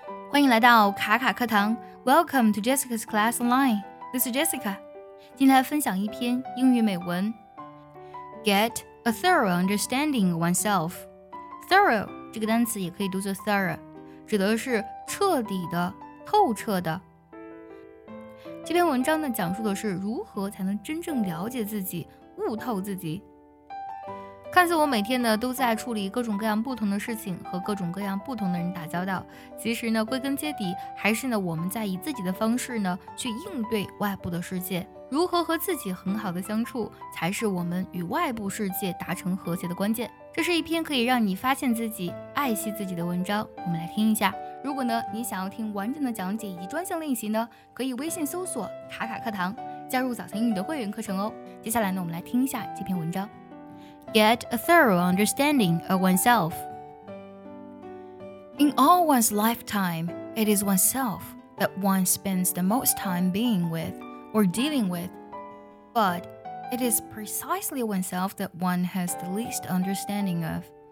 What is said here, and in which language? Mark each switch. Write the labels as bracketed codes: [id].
[zh] 欢迎来到卡卡课堂 [en] Welcome to Jessica's Class Online. This is Jessica. [zh] 今天来分享一篇英语美文 [en] Get a thorough understanding of oneself. [zh] Thorough 这个单词也可以读作 thorough, 指的是彻底的、透彻的。这篇文章呢讲述的是如何才能真正了解自己、悟透自己。看似我每天呢都在处理各种各样不同的事情，和各种各样不同的人打交道，其实呢归根结底还是呢我们在以自己的方式呢去应对外部的世界。如何和自己很好的相处，才是我们与外部世界达成和谐的关键。这是一篇可以让你发现自己、爱惜自己的文章，我们来听一下。如果呢你想要听完整的讲解以及专项练习呢，可以微信搜索卡卡课堂，加入早餐英语的会员课程哦。接下来呢我们来听一下这篇文章。 [en] Get a thorough understanding of oneself. In all one's lifetime, it is oneself that one spends the most time being with or dealing with. But it is precisely oneself that one has the least understanding of.